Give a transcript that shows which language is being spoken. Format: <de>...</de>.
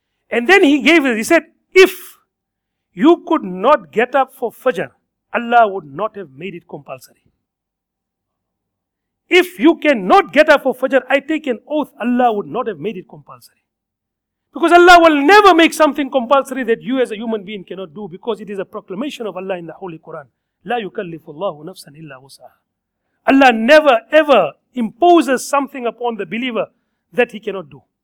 <en>And then he gave it. He said, if you could not get up for Fajr, Allah would not have made it compulsory. If you cannot get up for Fajr, I take an oath, Allah would not have made it compulsory. Because Allah will never make something compulsory that you as a human being cannot do, because it is a proclamation of Allah in the Holy Quran.</en> <ar>لا يكلف الله نفسا إلا وسعها.</ar> <en>Allah never ever imposes something upon the believer that he cannot do.</en>